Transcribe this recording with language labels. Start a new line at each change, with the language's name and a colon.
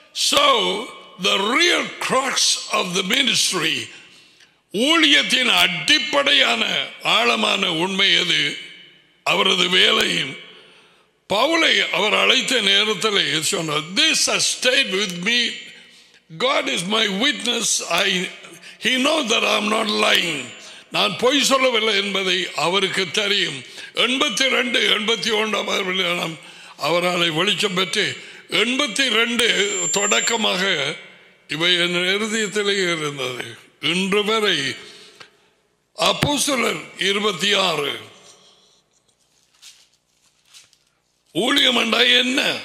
English: So the real crux of the ministry,
Tamil: ஊழியத்தின் அடிப்படையான ஆழமான உண்மை எது? அவரது வேலையும் பவுலை அவர் அழைத்த நேரத்தில் சொன்னார்,
English: This has stayed with me. God is my witness. He knows that I'm not lying.
Tamil: நான் பொய் சொல்லவில்லை என்பதை அவருக்கு தெரியும். 82-81 அவரை வெளிச்சம் பெற்று 82 தொடக்கமாக இவை என் இருதயத்திலே இருந்தது. இன்று வரை அப்போஸ்தலர் 26 ஊழியம் என்றால் என்ன?